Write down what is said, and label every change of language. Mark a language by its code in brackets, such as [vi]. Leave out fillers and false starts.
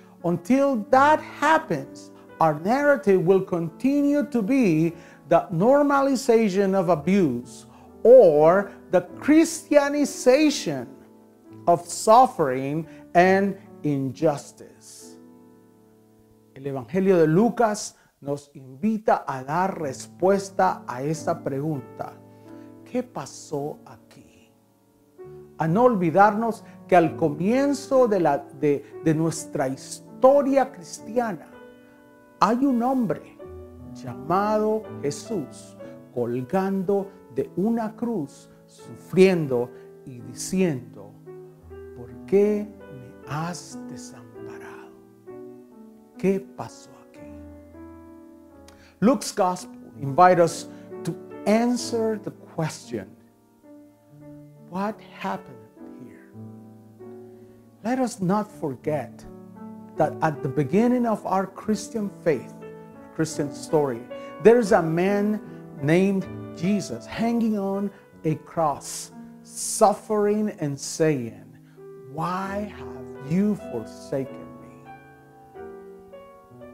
[en] Until that happens, our narrative will continue to be the normalization of abuse or the Christianization of suffering and injustice. [es] El Evangelio de Lucas nos invita a dar respuesta a esta pregunta. ¿Qué pasó aquí? A no olvidarnos que al comienzo de nuestra historia cristiana hay un hombre llamado Jesús colgando de una cruz, sufriendo y diciendo, ¿por qué me has desamparado? ¿Qué pasó aquí? [en] Luke's Gospel invites us to answer the question, what happened here? Let us not forget that at the beginning of our Christian faith, Christian story, there is a man named Jesus hanging on a cross, suffering and saying, why have you forsaken me?